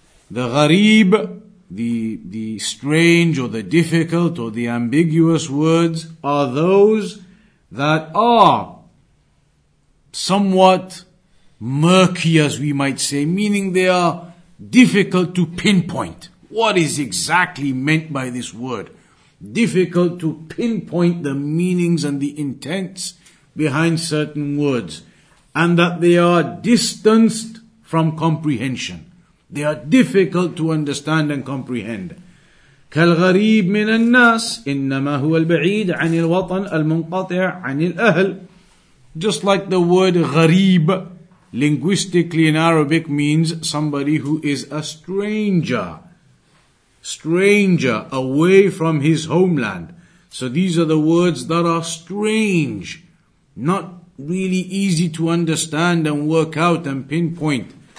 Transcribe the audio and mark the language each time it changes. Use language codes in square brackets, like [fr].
[en] The gharib, the strange or the difficult or the ambiguous words, are those that are somewhat murky, as we might say, meaning they are difficult to pinpoint. What is exactly meant by this word? Difficult to pinpoint the meanings and the intents behind certain words, and that they are distanced from comprehension. They are difficult to understand and comprehend. [ar] كالغريب من الناس إنما هو البعيد عن الوطن المنقطع عن الأهل. [en] Just like the word غريب, linguistically in Arabic, means somebody who is a stranger. Stranger, away from his homeland. So these are the words that are strange, not really easy to understand and work out and pinpoint.